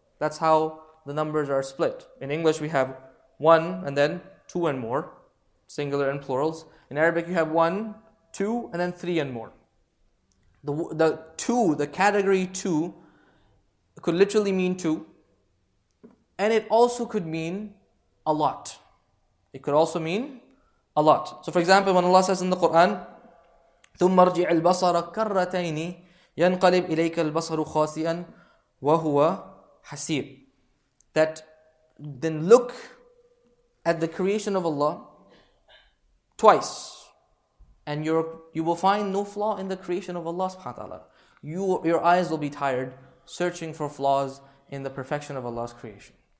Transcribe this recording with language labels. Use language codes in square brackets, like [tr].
[en] That's how the numbers are split. In English, we have one and then two and more, singular and plurals. In Arabic, you have one, two, and then three and more. The two, the category two, could literally mean two. And it also could mean a lot. It could also mean a lot. So for example, when Allah says in the Quran, [ar] ثُمَّ ارْجِعِ الْبَصَرَ كَرَّتَيْنِ يَنْقَلِبْ إِلَيْكَ الْبَصَرُ خَاسِئًا وَهُوَ حَسِيرٌ. [en] That then look at the creation of Allah twice, and you will find no flaw in the creation of Allah subhanahu wa ta'ala. Your eyes will be tired searching for flaws in the perfection of Allah's creation.